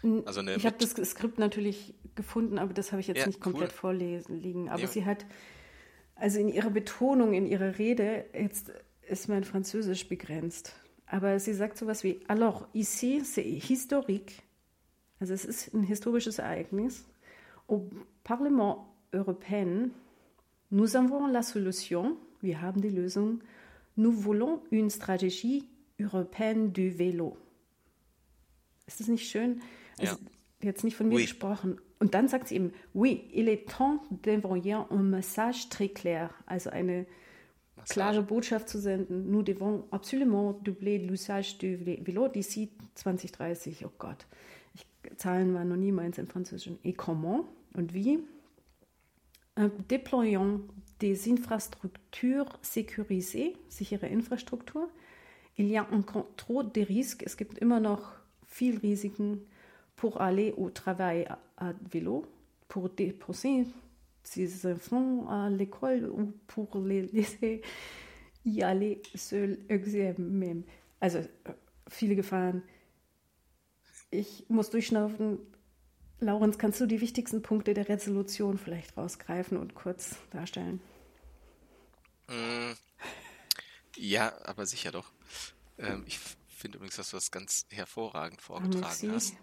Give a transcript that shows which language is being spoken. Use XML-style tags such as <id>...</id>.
<de>Also ich habe das Skript natürlich gefunden, aber das habe ich jetzt nicht komplett vorliegen. Aber sie hat, also in ihrer Betonung, in ihrer Rede, jetzt ist mein Französisch begrenzt, aber sie sagt sowas wie:</de> <fr>Alors, ici, c'est historique.</fr> <de>Also es ist ein historisches Ereignis.</de> <fr>Au Parlement européen, nous avons la solution,</fr> <de>wir haben die Lösung,</de> <fr>nous voulons une stratégie européenne du vélo.</fr> <de>Ist das nicht schön? Also jetzt nicht von mir gesprochen. Und dann sagt sie eben:</de> <fr>oui, il est temps d'envoyer un message très clair,</fr> <de>also eine klare Botschaft zu senden.</de> <fr>Nous devons absolument doubler l'usage du vélo d'ici 2030.</fr> <de>Oh Gott, Zahlen waren noch nie meins im Französischen.</de> <fr>Et comment?</fr> <de>Und wie?</de> <fr>Déployons des infrastructures sécurisées,</fr> <de>sichere Infrastruktur.</de> <fr>Il y a encore trop de risques,</fr> <de>es gibt immer noch viel Risiken,</de> <fr>pour aller au travail à vélo, pour déposer ses enfants à l'école ou pour les laisser y aller seul examen.</fr> <de>Also viele Gefahren. Ich muss durchschnaufen. Laurenz, kannst du die wichtigsten Punkte der Resolution vielleicht rausgreifen und kurz darstellen? Ja, aber sicher doch. Ich finde übrigens, dass du das ganz hervorragend vorgetragen hast.</de>